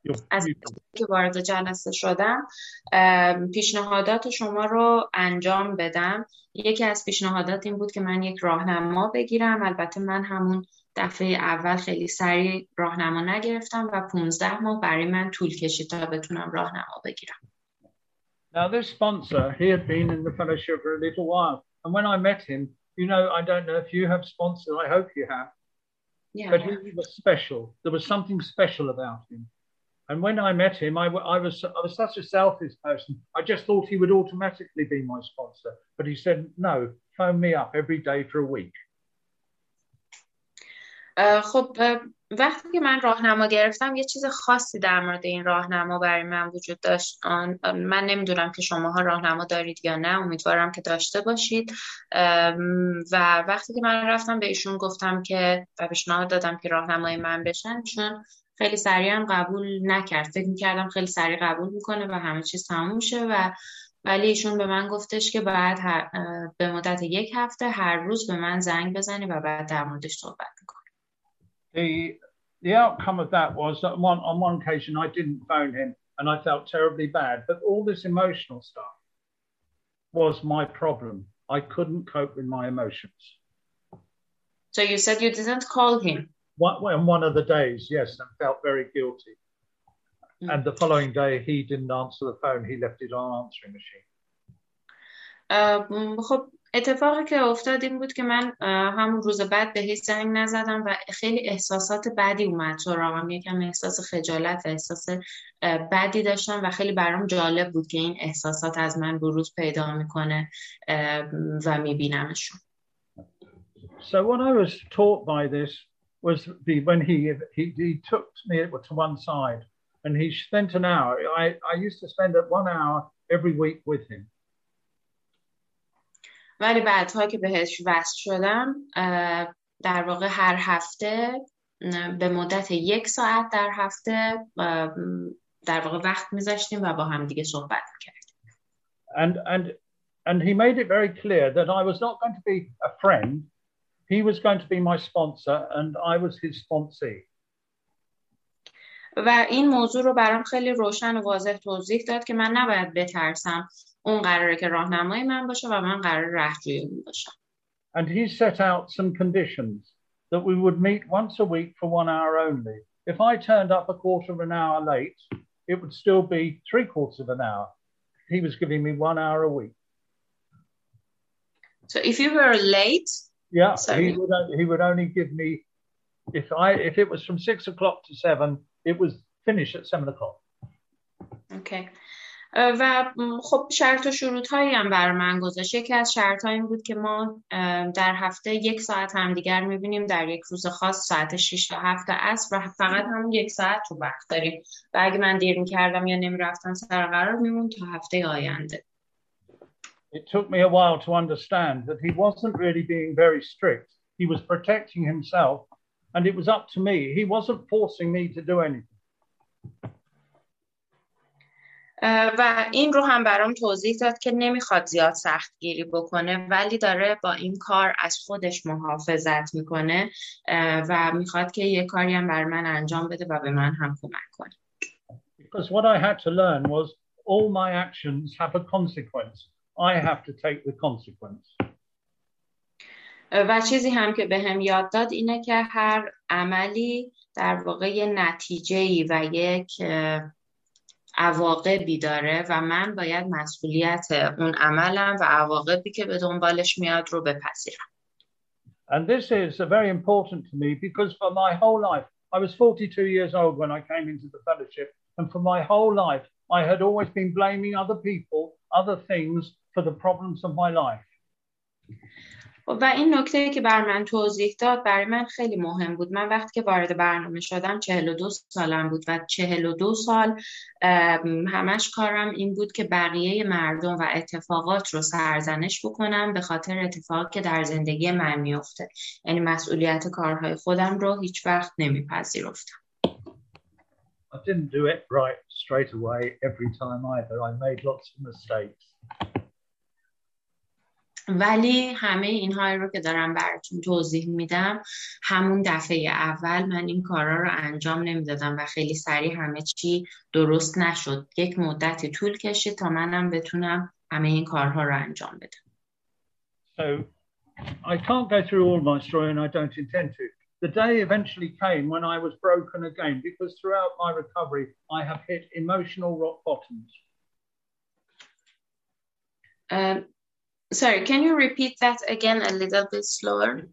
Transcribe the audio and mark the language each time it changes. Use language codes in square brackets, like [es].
[fa] از که وارد جلسه شدم پیشنهادات شما رو انجام بدم. یکی از پیشنهادات این بود که من یک راهنما بگیرم. البته من همون دفعه اول خیلی سریع راهنما نگرفتم و 15 ماه برای من طول کشید تا بتونم راهنما بگیرم. [en] Now this sponsor, he had been in the fellowship for a little while. And when I met him, you know, I don't know if you have sponsors, I hope you have. Yeah. But he was special. There was something special about him. And when I met him, I was such a selfish person. I just thought he would automatically be my sponsor. But he said, no, phone me up every day for a week. [fa] خب وقتی که من راهنما گرفتم یه چیز خاصی در مورد این راهنما برای من وجود داشت. من نمیدونم که شماها راهنما دارید یا نه، امیدوارم که داشته باشید. و وقتی که من رفتم به ایشون گفتم که و پیشنهاد دادم که راهنمای من بشن، چون خیلی سریع هم قبول نکرد، فکر میکردم خیلی سریع قبول میکنه و همه چیز تموم شه، و ولی ایشون به من گفتش که بعد به مدت 1 هفته هر روز به من زنگ بزنی و بعد در موردش صحبت کنی. [en] The outcome of that was that on one occasion I didn't phone him and I felt terribly bad, but all this emotional stuff was my problem. I couldn't cope with my emotions. So you said you didn't call him? One of the days, yes, and felt very guilty. Mm. And the following day he didn't answer the phone, he left it on answering machine. [fa] اتفاقی که افتاد این بود که من همون روز بعد به هیچ زنگ نزدم و خیلی احساسات بدی اومد سراغم، یکم احساس خجالت و احساس بدی داشتم و خیلی برام جالب بود که این احساسات از من بروز پیدا میکنه و میبینمشون. [en] So what I was taught by this was when he took me to one side and he spent an hour. I used to spend at 1 hour every week with him. [fa] ولی بعد ها که بهش وصل شدم در واقع هر هفته به مدت 1 ساعت در هفته در واقع وقت می‌ذاشتیم و با هم دیگه صحبت می‌کردیم. [en] And he made it very clear that I was not going to be a friend. He was going to be my sponsor and I was his sponsee. [fa] و این موضوع رو برام خیلی روشن و واضح توضیح داد که من نباید بترسم. اون قراره که راهنمای من باشه و من قرار راهجوی اون باشم. [en] And he set out some conditions that we would meet once a week for 1 hour only. If I turned up a quarter of an hour late, it would still be 3/4 of an hour. He was giving me 1 hour a week. So if you were late, yeah, sorry. he would only give me if it was from 6 o'clock to 7, it was finish at 7 o'clock. Okay. [fa] و خب شرط و شروط هایی هم برای من گذاشت. یکی از شرط هایی بود که ما در هفته 1 ساعت هم دیگر میبینیم در یک روز خاص ساعت 6 تا 7 عصر و فقط هم 1 ساعت رو وقت داریم و اگه من دیر میکردم یا نمیرفتم سر قرار میمون تا هفته آینده. [en] It took me a while to understand that he wasn't really being very strict. He was protecting himself and it was up to me. He wasn't forcing me to do anything. [fa] و این رو هم برام توضیح داد که نمیخواد زیاد سختگیری بکنه، ولی داره با این کار از خودش محافظت میکنه و میخواد که یه کاری هم بر من انجام بده و به من هم کمک کنه. [en] Because what I had to learn was all my actions have a consequence. I have to take the consequence. [fa] و چیزی هم که بهم یاد داد اینه که هر عملی در واقع یه نتیجه‌ای و یک عواقبی داره و من باید مسئولیت اون عملم و عواقبی که به دنبالش میاد رو بپذیرم. [en] And this is very important to me because for my whole life, I was 42 years old when I came into the fellowship, and for my whole life, I had always been blaming other people, other things for the problems of my life. [fa] و این نکته که بر من توضیح داد برای من خیلی مهم بود. من وقتی که وارد برنامه شدم 42 سالم بود و 42 سال همش کارم این بود که بقیه مردم و اتفاقات رو سرزنش بکنم به خاطر اتفاقات که در زندگی من میفته. یعنی مسئولیت کارهای خودم رو هیچ وقت نمیپذیرفتم. [en] I didn't do it right straight away every time either. I made lots of mistakes. [fa] ولی همه اینها رو که دارم براتون توضیح میدم همون دفعه اول من این کارا رو انجام نمیدادم و خیلی سریع همه چی درست نشد. یک مدت طول کشید تا منم بتونم همه این کارها رو انجام بدم. [en] So I can't go through all my story and I don't intend to. The day eventually came when I was broken again because throughout my recovery I have hit emotional rock bottoms. Sorry, can you repeat that again a little bit slower?